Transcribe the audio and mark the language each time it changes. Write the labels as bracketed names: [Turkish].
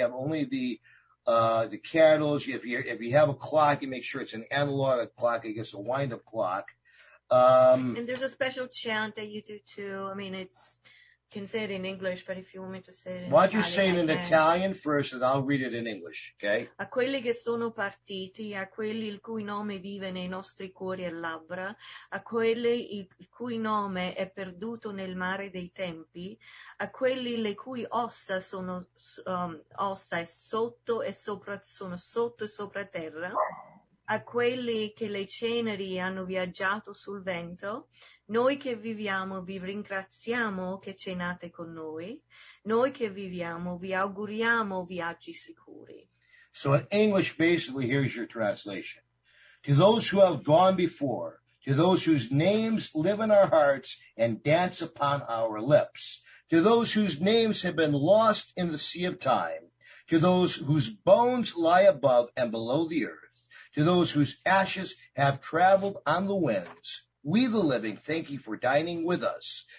[English] You have only the candles. If you have a clock, you make sure it's an analog clock, I guess a wind-up clock. And there's a special chant that you do too. I mean, it's can say it in English, but if you want me to say it in Why don't you say it in Italian first, and I'll read it in English, okay? [Italian] A quelli che sono partiti, a quelli il cui nome vive nei nostri cuori e labbra, a quelli il cui nome è perduto nel mare dei tempi, a quelli le cui ossa sono ossa sono sotto e sopra terra. A quelli che le ceneri hanno viaggiato sul vento, noi che viviamo vi ringraziamo che cenate con noi, noi che viviamo vi auguriamo viaggi sicuri. [English] So in English, basically, here's your translation. To those who have gone before, to those whose names live in our hearts and dance upon our lips, to those whose names have been lost in the sea of time, to those whose bones lie above and below the earth, to those whose ashes have traveled on the winds, we the living thank you for dining with us.